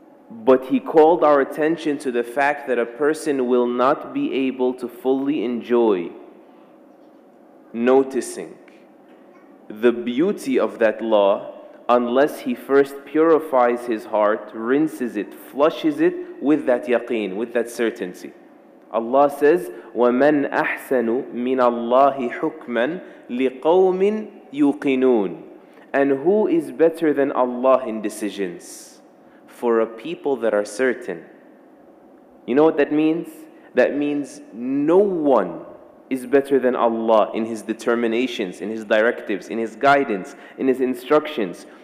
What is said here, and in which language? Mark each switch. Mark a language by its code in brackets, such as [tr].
[en] But He called our attention to the fact that a person will not be able to fully enjoy noticing the beauty of that law unless he first purifies his heart, rinses it, flushes it with that yaqeen, with that certainty. Allah says, [ar] وَمَنْ أَحْسَنُ مِنَ اللَّهِ حُكْمًا لِقَوْمٍ يُقِنُونَ. [en] And who is better than Allah in decisions? For a people that are certain. You know what that means? That means no one is better than Allah in His determinations, in His directives, in His guidance, in His instructions.